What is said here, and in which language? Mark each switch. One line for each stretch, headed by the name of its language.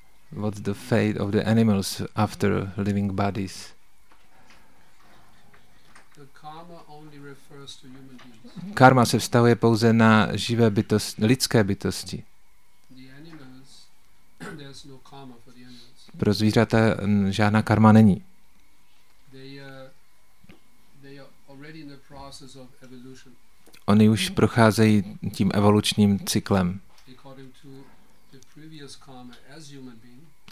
English: What's the fate of the animals after living bodies? The karma only refers to human beings.
Czech: Karma se vztahuje pouze na živé bytosti, lidské bytosti.
English: The animals, there's no karma for the animals.
Czech: Pro zvířata žádná karma není.
English: They are already in the process of evolution.
Czech: Oni už procházejí tím evolučním cyklem.
English: According to the previous karma as human beings.